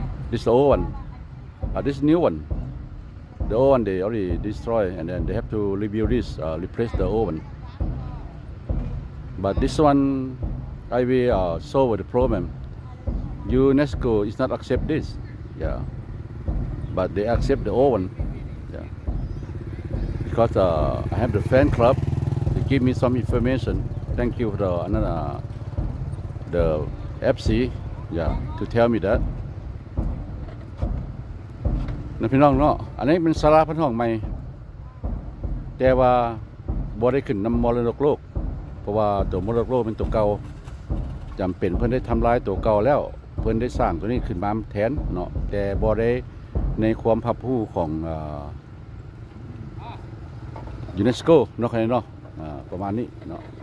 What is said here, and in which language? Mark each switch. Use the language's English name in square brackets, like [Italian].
[English] this old one this new one the old one they already destroy and then they have to rebuild this replace the old one but this one I will solve the problem UNESCO is not accept this yeah but they accept the old oneBecause I have the fan club, they give me some information. Thank you for the FC, yeah, to tell me that. [Northeastern Thai] นะพี่น้องเนาะอันนี้เป็นศาลาพันห้องใหม่แต่ว่าบ่ได้ขึ้นนำมรดกโลกเพราะว่าตัวมรดกโลกเป็นตัวเก่าจำเป็นเพื่อนได้ทำลายตัวเก่าแล้วเพื่อนได้สร้างตัวนี้ขึ้นมาแทนเนาะแต่บ่ได้ในความภาคภูมิของยูเนสโกเนาะใครเนาะประมาณนี้เนาะ